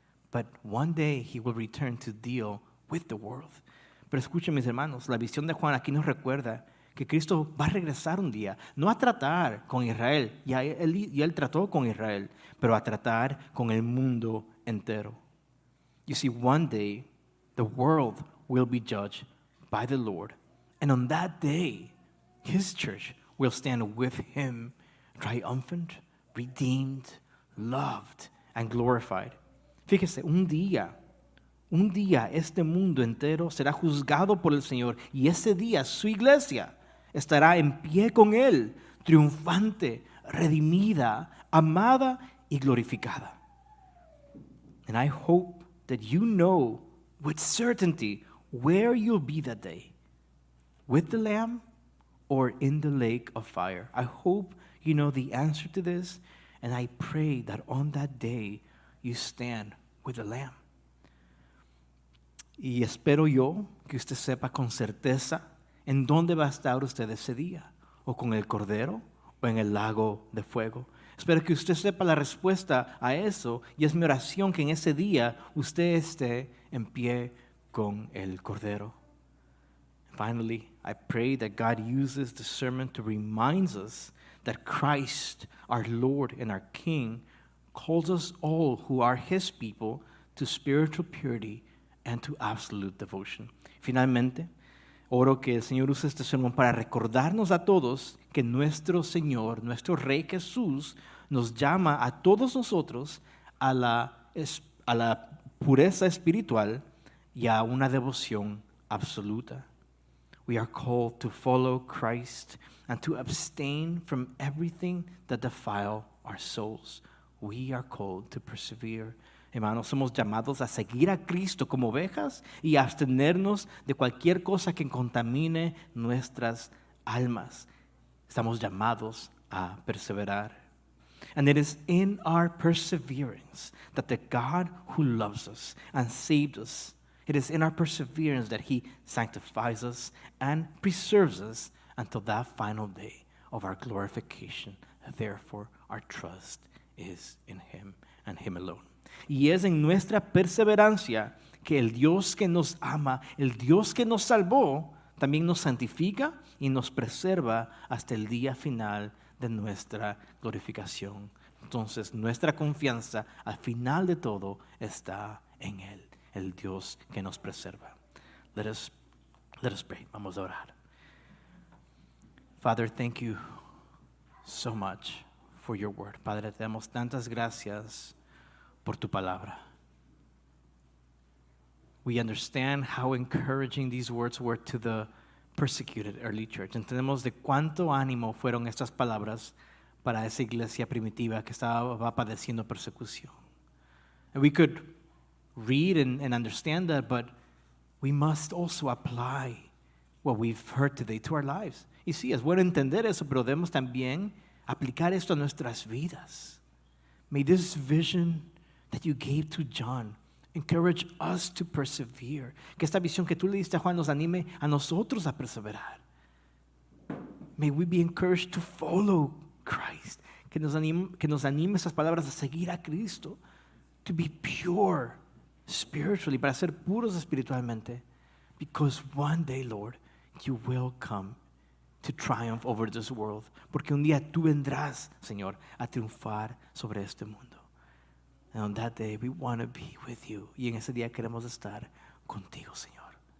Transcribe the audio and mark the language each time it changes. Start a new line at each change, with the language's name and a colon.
English: But one day he will return to deal with the world.
Spanish: Pero escuchen, mis hermanos, la visión de Juan aquí nos recuerda que Cristo va a regresar un día, no a tratar con Israel, y él trató con Israel, pero a tratar con el mundo entero.
English: You see, one day the world will be judged by the Lord, and on that day his church will stand with him, triumphant, redeemed, loved, and glorified.
Spanish: Fíjese, un día este mundo entero será juzgado por el Señor y ese día su iglesia estará en pie con él, triunfante, redimida, amada y glorificada.
English: And I hope that you know with certainty where you'll be that day, with the Lamb or in the lake of fire. I hope you know the answer to this, and I pray that on that day you stand with the Lamb.
Spanish: Y espero yo que usted sepa con certeza en dónde va a estar usted ese día, o con el Cordero o en el lago de fuego. Espero que usted sepa la respuesta a eso, y es mi oración que en ese día usted esté en pie con el Cordero.
English: Finally, I pray that God uses the sermon to remind us that Christ, our Lord and our King, calls us all who are his people to spiritual purity and to absolute devotion.
Spanish: Finalmente, oro que el Señor use este sermón para recordarnos a todos que nuestro Señor, nuestro Rey Jesús, nos llama a todos nosotros a la pureza espiritual y a una devoción absoluta.
English: We are called to follow Christ and to abstain from everything that defile our souls. We are called to persevere.
Spanish: Hermanos, somos llamados a seguir a Cristo como ovejas y a abstenernos de cualquier cosa que contamine nuestras almas. Estamos llamados a perseverar.
English: And it is in our perseverance that the God who loves us and saved us, it is in our perseverance that he sanctifies us and preserves us until that final day of our glorification. Therefore, our trust is in him and him alone.
Spanish: Y es en nuestra perseverancia que el Dios que nos ama, el Dios que nos salvó, también nos santifica y nos preserva hasta el día final de nuestra glorificación. Entonces, nuestra confianza al final de todo está en él, el Dios que nos preserva.
English: Let us pray.
Spanish: Vamos a orar.
English: Father, thank you so much for your word.
Spanish: Padre, te damos tantas gracias por tu palabra.
English: We understand how encouraging these words were to the persecuted early church.
Spanish: Entendemos de cuánto ánimo fueron estas palabras para esa iglesia primitiva que estaba padeciendo persecución.
English: And we could read and understand that, but we must also apply what we've heard today to our lives.
Spanish: Y sí, es bueno entender eso, pero debemos también aplicar esto a nuestras vidas.
English: May this vision that you gave to John encourage us to persevere.
Spanish: Que esta visión que tú le diste a Juan nos anime a nosotros a perseverar.
English: May we be encouraged to follow Christ.
Spanish: que nos anime esas palabras a seguir a Cristo,
English: to be pure spiritually,
Spanish: para ser puros espiritualmente,
English: because one day, Lord, you will come to triumph over this world,
Spanish: porque un día tú vendrás, Señor, a triunfar sobre este mundo.
English: And on that day, we want to be with you.
Spanish: Y en ese día queremos estar contigo, Señor.